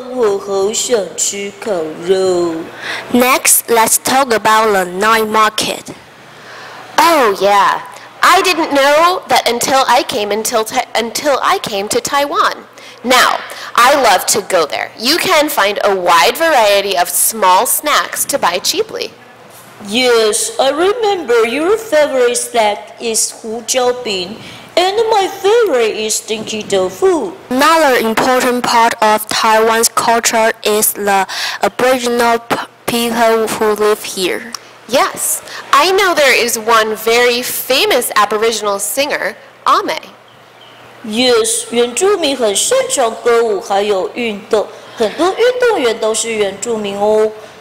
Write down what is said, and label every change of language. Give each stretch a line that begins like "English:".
Chinese: 一家烤肉问家乡，哦，我好想吃烤肉。
English: Next, let's talk about the night market. Oh yeah, I didn't know that until I came to Taiwan. Now, I love to go there. You can find a wide variety of small snacks to buy cheaply. Yes, I remember your favorite snack is hu jiao bing, and my favorite is stinky tofu. Another important part of Taiwan's culture is the Aboriginal people who live here. Yes, I know there is one very famous Aboriginal singer, Ame.
Chinese: Yes, 原住民很擅长歌舞还有运动，很多运动员都是原住民哦。